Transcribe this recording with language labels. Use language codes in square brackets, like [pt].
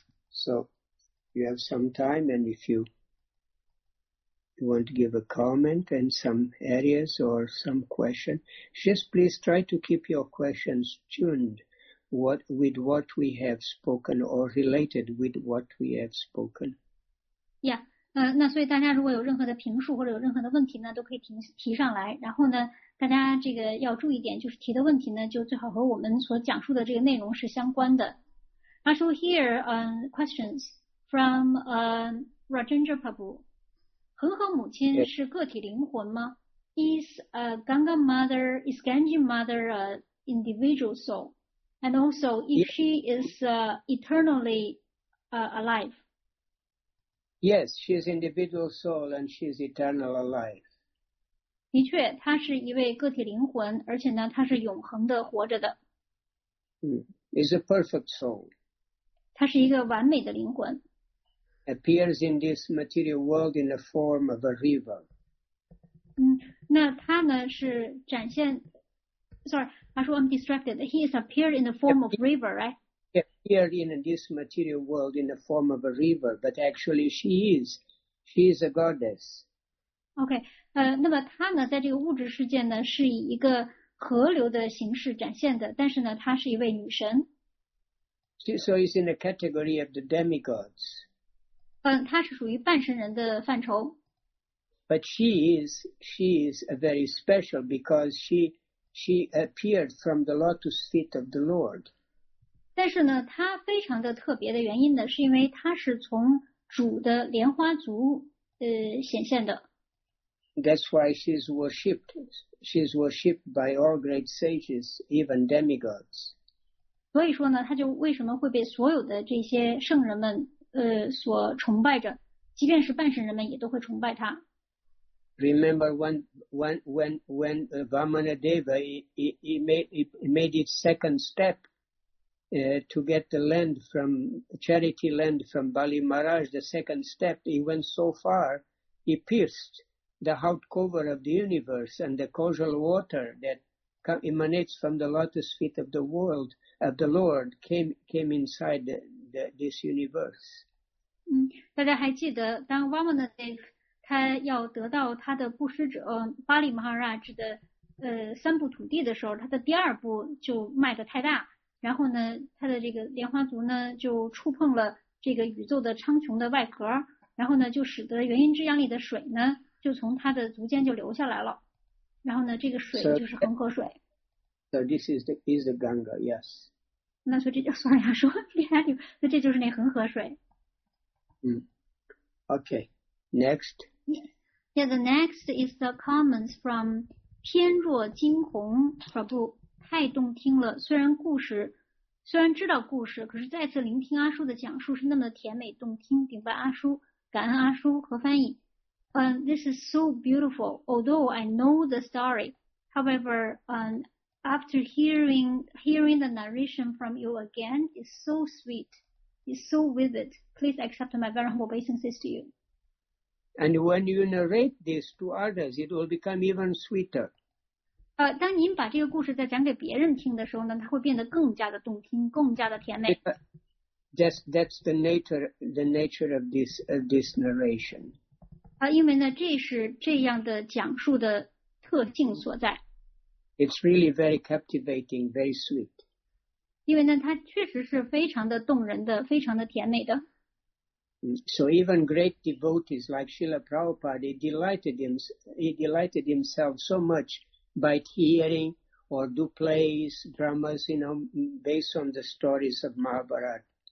[en] So you have some time, and if you want to give a comment and some areas or some question, just please try to keep your questions tuned with what we have spoken or related with what we have spoken. Yeah. [zh] 那所以大家如果有任何的评述或者有任何的问题呢，都可以提上来。然后呢，大家这个要注意点，就是提的问题呢，就最好和我们所讲述的这个内容是相关的。 [en] I shall hear questions from Rajendra Prabhu. [zh] 恒河母亲是个体灵魂吗 [en] ？Is Ganga mother, is Ganga mother an individual soul? And also, if she is eternally alive? Yes, she is individual soul and she is eternal alive. [zh] 的确，她是一位个体灵魂，而且呢，她是永恒的活着的。 [en] Is a perfect soul. [zh] 她是一个完美的灵魂。 [en] Appears in this material world in the form of a river. [zh] 那她呢是展现 [en] ？Sorry, I'm sure I'm distracted. He is appeared in the form of river, right? Appeared in this material world in the form of a river, but actually she is a goddess. [zh] Okay, 那么她呢，在这个物质世界呢，是以一个河流的形式展现的，但是呢，她是一位女神。 [en] So it's in the category of the demigods. [zh] 她是属于半神人的范畴。 [en] But she is a very special because she appeared from the lotus feet of the Lord. [zh] 但是呢，它非常的特别的原因呢，是因为它是从主的莲花足显现的。 [en] That's why she's worshipped. She's worshipped by all great sages, even demigods. [zh] 所以说呢，她就为什么会被所有的这些圣人们所崇拜着，即便是半神人们也都会崇拜她。 [en] Remember when Vamana Deva he made its second step. To get the land from charity land from Bali Maharaj, the second step, he went so far, he pierced the heart cover of the universe and the causal water that emanates from the lotus feet of the world of the Lord came inside this universe. [zh] 大家还记得当 Vamana Deva 他要得到他的布施者巴里马哈拉什的三部土地的时候，他的第二步就迈得太大。然后呢，他的这个莲花足呢，就触碰了这个宇宙的苍穹的外壳，然后呢，就使得元因之央里的水呢，就从他的足尖就流下来了。然后呢，这个水就是恒河水。 [en] So this is the Ganga, yes. [zh] 那所以这就算了说，那这就是那恒河水。 [en] Okay, next. Yeah, the next is the comments from 天若惊鸿 Prabhu. [zh] 太动听了，虽然知道故事，可是再次聆听阿叔的讲述是那么的甜美动听。顶拜阿叔，感恩阿叔和翻译。 [en] This is so beautiful. Although I know the story, however, after hearing the narration from you again, it's so sweet, it's so vivid. Please accept my very humble obeisances to you. And when you narrate this to others, it will become even sweeter. [zh] 当您把这个故事再讲给别人听的时候呢，它会变得更加的动听，更加的甜美。 [en] That's the nature of this narration. [zh] 因为呢，这是这样的讲述的特性所在。 [en] It's really very captivating, very sweet. [zh] 因为呢，它确实是非常的动人的，非常的甜美的。 [en] So even great devotees like Srila Prabhupada, he delighted himself so much by hearing or do plays, dramas, you know, based on the stories of Mahabharata.